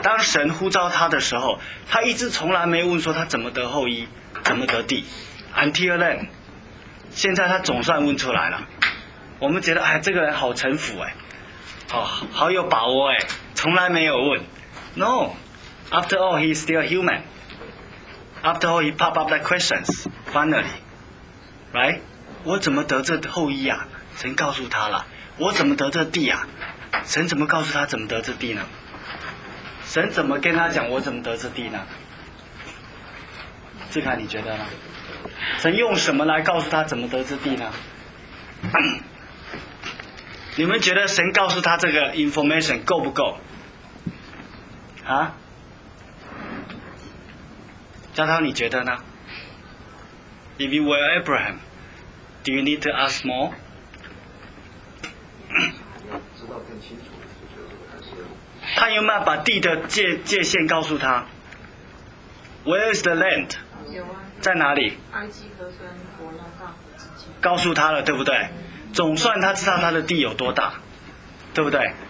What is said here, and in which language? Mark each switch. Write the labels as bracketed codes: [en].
[zh] 当神呼召他的时候，他一直从来没问说他怎么得后裔，怎么得地。 Until then，现在他总算问出来了。我们觉得，哎，这个人好城府，哎，哦，好有把握，哎，从来没有问。 [en] No， after all he's still human。 After all he pop up that questions finally， right？ [zh] 我怎么得这后裔啊？神告诉他了。我怎么得这地啊？神怎么告诉他怎么得这地呢？神怎么跟他讲我怎么得这地呢？志凯，你觉得呢？神用什么来告诉他怎么得之地呢？你们觉得神告诉他这个 information 够不够？啊？嘉涛，你觉得呢？ [en] If you were Abraham, do you need to ask more？ [zh] 要知道更清楚，就觉得还是他有没有把地的界限告诉他 ？ Where is the land？在哪里？埃及和跟伯拉大河之间。告诉他了，对不对？总算他知道他的地有多大，对不对？